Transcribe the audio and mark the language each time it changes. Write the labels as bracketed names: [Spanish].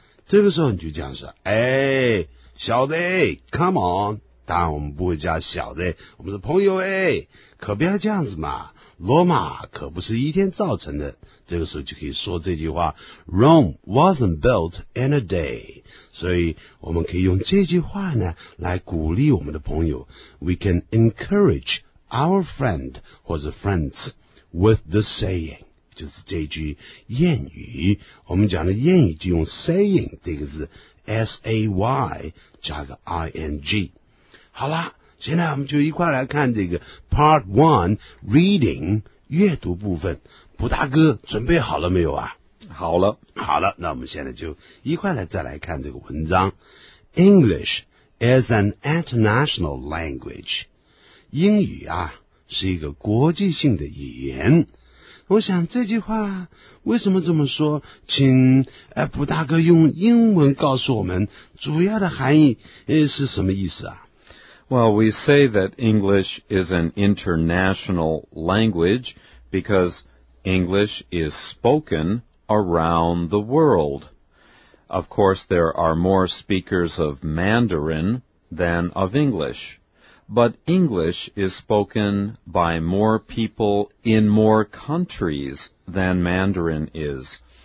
[Chinese] 这个时候你就这样说，哎，小的 , [English] come on, [Chinese] 当然我们不会叫小的，我们是朋友哎，可不要这样子嘛，罗马可不是一天造成的。这个时候就可以说这句话 , [English] Rome wasn't built in a day. [Chinese] 所以我们可以用这句话呢来鼓励我们的朋友。 [English] We can encourage our friend [Chinese] 或者 [English] friends with the saying. [Chinese] 就是这句谚语。我们讲的谚语就用 saying 这个字 ,say 加个 ing。好啦，现在我们就一块来看这个 part 1 reading 阅读部分。普大哥准备好了没有啊？好了，好了，那我们现在就一块来再来看这个文章。 [English] English is an international language. [Chinese] 英语啊是一个国际性的语言。我想这句话为什么这么说，请普大哥用英文告诉我们主要的含义是什么意思啊？ [English] Well, we say that English is an international language because English is spoken around the world. Of course, there are more speakers of Mandarin than of English, but English is spoken by more people in more countries than Mandarin is.